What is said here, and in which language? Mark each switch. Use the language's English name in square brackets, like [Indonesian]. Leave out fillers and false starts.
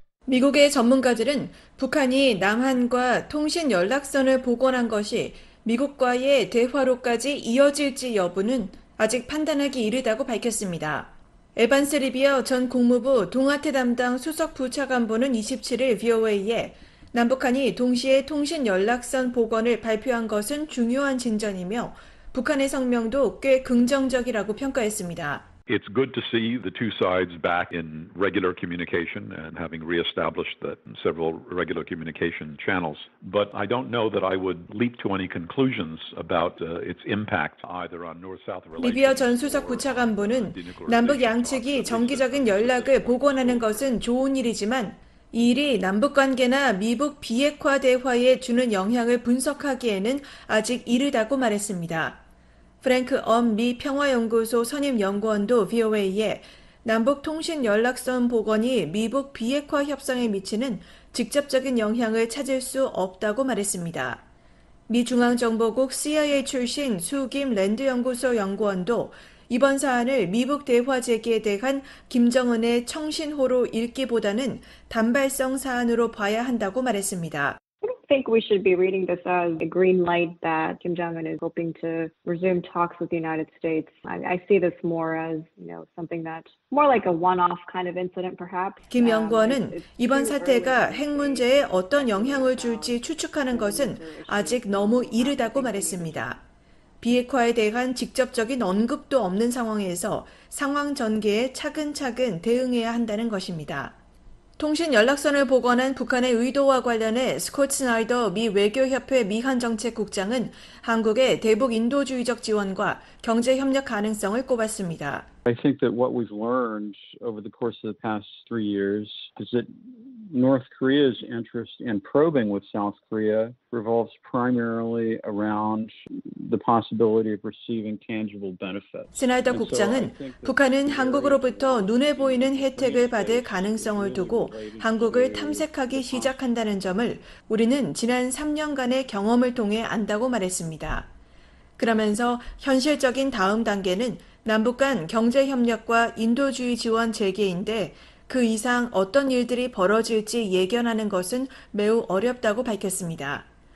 [Korean] 미국의 전문가들은 북한이 남한과 통신 연락선을 복원한 것이 미국과의 대화로까지 이어질지 여부는 아직 판단하기 이르다고 밝혔습니다. 에반스 리비어 전 국무부 동아태 담당 수석 부차관보는 27일 VOA에 남북한이 동시에 통신 연락선 복원을 발표한 것은 중요한 진전이며 북한의 성명도 꽤 긍정적이라고 평가했습니다. [English] It's good to see the two sides back in regular communication and having re-established the several regular communication channels. But I don't know that I would leap to any conclusions about its impact either on North-South relations. [Korean] 리비어 전 수석 부차관보는 남북 양측이 정기적인 연락을 복원하는 것은 좋은 일이지만 이 일이 남북 관계나 미북 비핵화 대화에 주는 영향을 분석하기에는 아직 이르다고 말했습니다. 프랭크 엄 미 평화연구소 선임연구원도 VOA에 남북 통신 연락선 복원이 미북 비핵화 협상에 미치는 직접적인 영향을 찾을 수 없다고 말했습니다. 미 중앙정보국 CIA 출신 수 김 랜드연구소 연구원도 이번 사안을 미북 대화 재개에 대한 김정은의 청신호로 읽기보다는 단발성 사안으로 봐야 한다고 말했습니다. [English] think we should be reading this as a green light that Kim Jong-un is hoping to resume talks with the United States. I see this more as, you know, something that more like a one-off kind of incident perhaps. [Korean] 김 연구원은 이번 사태가 핵 문제에 어떤 영향을 줄지 추측하는 것은 아직 너무 이르다고 말했습니다. 비핵화에 대한 직접적인 언급도 없는 상황에서 상황 전개에 차근차근 대응해야 한다는 것입니다. 통신 연락선을 복원한 북한의 의도와 관련해 스콧 스나이더 미 외교협회 미한정책국장은 한국의 대북 인도주의적 지원과 경제 협력 가능성을 꼽았습니다. [English] I think that what we've learned over the course of the past three years is that North Korea's interest in probing with South Korea revolves primarily around the possibility of receiving tangible benefits. [Korean] 스나이더 국장은 북한은 한국으로부터 눈에 보이는 혜택을 받을 가능성을 두고 한국을 탐색하기 시작한다는 점을 우리는 지난 3년간의 경험을 통해 안다고 말했습니다. 그러면서 현실적인 다음 단계는 남북 간 경제 협력과 인도주의 지원 재개인데 그 이상 어떤 일들이 벌어질지 예견하는 것은 매우 어렵다고 밝혔습니다.